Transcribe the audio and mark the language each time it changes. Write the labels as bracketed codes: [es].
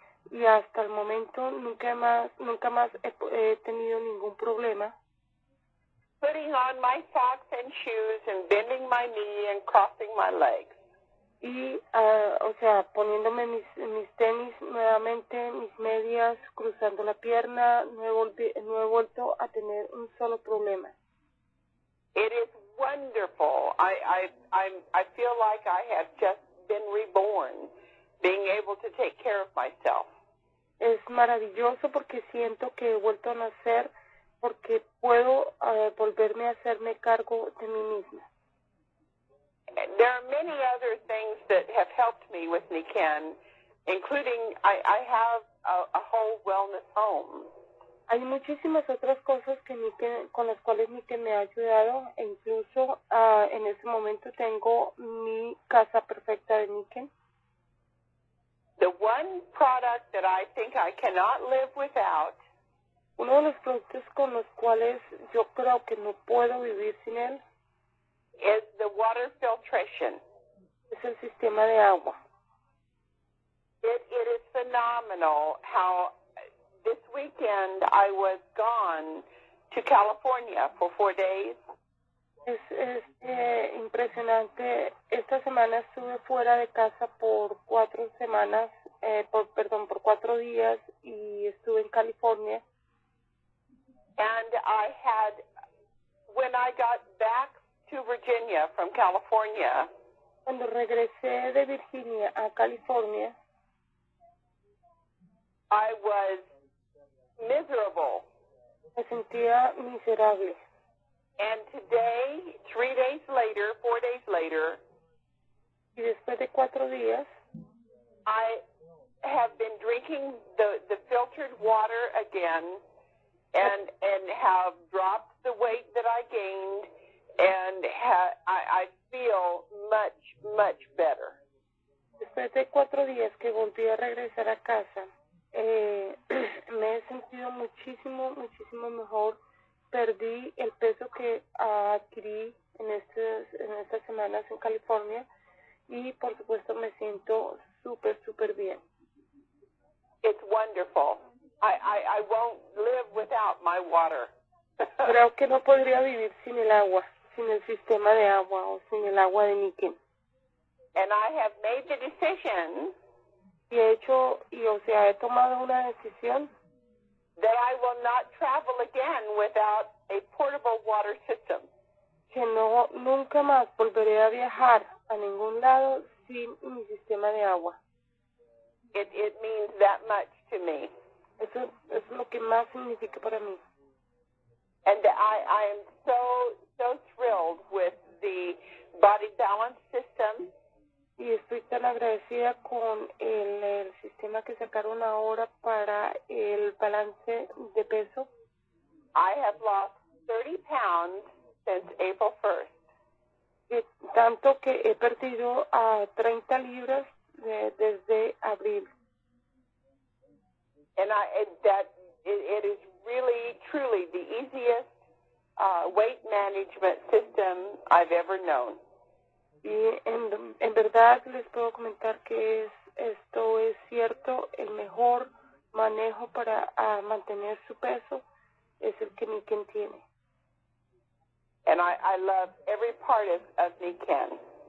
[es] Y hasta el momento nunca más he tenido ningún problema. [en] Putting on my socks and shoes and bending my knee and crossing my legs. [es] Y, o sea, poniéndome mis tenis nuevamente, mis medias, cruzando la pierna, no he vuelto a tener un solo problema. [en] It is wonderful. I feel like I have just been reborn, being able to take care of myself. [es] Es maravilloso porque siento que he vuelto a nacer porque puedo volverme a hacerme cargo de mí misma. [en] There are many other things that have helped me with Niken, including I have a whole wellness home. [es] Hay muchísimas otras cosas que Niken, con las cuales Niken me ha ayudado, e incluso en este momento tengo mi casa perfecta de Niken. [en] The one product that I think I cannot live without. [es] Uno de los productos con los cuales yo creo que no puedo vivir sin él. [en] Is the water filtration. [es] Es el sistema de agua. [en] It is phenomenal how this weekend I was gone to California for 4 days. [es] Es impresionante. Esta semana estuve fuera de casa por 4 semanas, por 4 días, y estuve en California. [en] And I had, when I got back to Virginia from California. [es] Cuando regresé de Virginia a California, [en] I was miserable. [es] Me sentía miserable. [en] And today, 3 days later, 4 days later, [es] y después de 4 días, [en] I have been drinking the filtered water again, and have dropped the weight that I gained. And I feel much, much better. [es] Después de 4 días que volví a regresar a casa, me he sentido muchísimo, muchísimo mejor. Perdí el peso que adquirí en estas semanas en California. Y, por supuesto, me siento súper, súper bien. [en] It's wonderful. I won't live without my water. [es] Creo que no podría vivir sin el agua. Sin el sistema de agua o sin el agua de Niken. [en] And I have made the decision. [es] Y he hecho, y o sea, he tomado una decisión. [en] That I will not travel again without a portable water system. [es] Que no, nunca más volveré a viajar a ningún lado sin mi sistema de agua. [en] It means that much to me. [es] Eso es lo que más significa para mí. [en] And I am so thrilled with the body balance system. [es] Y estoy tan agradecida con el sistema que sacaron ahora para el balance de peso. [en] I have lost 30 pounds since April 1st. [es] Y tanto que he perdido 30 libras desde abril. [en] And it is really, truly the easiest weight management system I've ever known. [es] Y en verdad les puedo comentar que esto es cierto, el mejor manejo para mantener su peso es el que Niken tiene. [en] And I love every part of Niken.